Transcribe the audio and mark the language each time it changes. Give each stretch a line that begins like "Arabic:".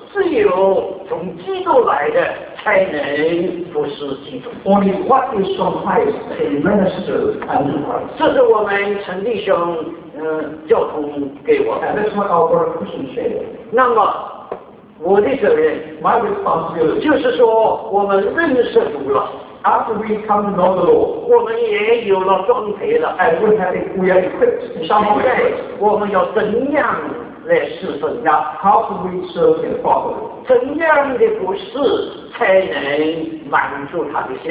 Chinese: 只有从基督来的才能服侍基督。
English: Only what is from Christ can minister unto Christ。
Chinese: 这是我们陈弟兄教通给我的。
English: And that's what our brother Christian said。
Chinese: 那么我的责任
English: ，my responsibility，
Chinese: 就是说我们认识主了。
English: After we come to know the Lord，
Chinese: 我们也有了装备了。
English: And we are equipped。
Chinese: 现在我们要怎样来侍奉他
English: How can we serve him properly?
Chinese: 怎样的服侍才能满足他的心